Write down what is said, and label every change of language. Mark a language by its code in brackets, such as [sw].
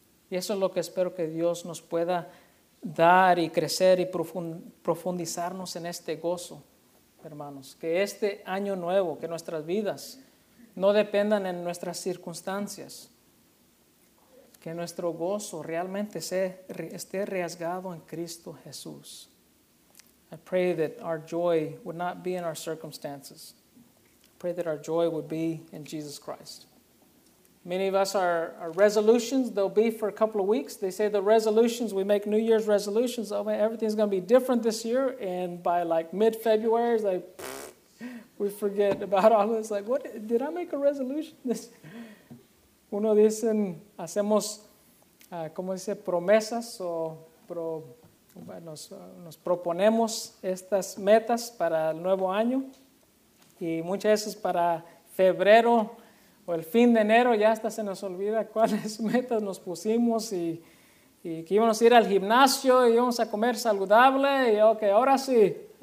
[es] Y eso es lo que espero que Dios nos pueda dar y crecer y profundizarnos en este gozo, hermanos. Que este año nuevo, que nuestras vidas no dependan en nuestras circunstancias. Que nuestro gozo realmente esté arraigado en Cristo Jesús. [en] I pray that our joy would not be in our circumstances. Pray that our joy would be in Jesus Christ. Many of us, our resolutions, they'll be for a couple of weeks. They say the resolutions, we make New Year's resolutions. Oh, man, everything's going to be different this year. And by like mid-February, it's like, we forget about all this. Like, what did I make a resolution this year? [es] Uno dicen, hacemos, ¿cómo dice? Promesas o nos proponemos estas metas para el nuevo año. Y muchas veces para febrero o el fin de enero ya hasta se nos olvida cuáles metas nos pusimos y que íbamos a ir al gimnasio y íbamos a comer saludable y ok, ahora sí.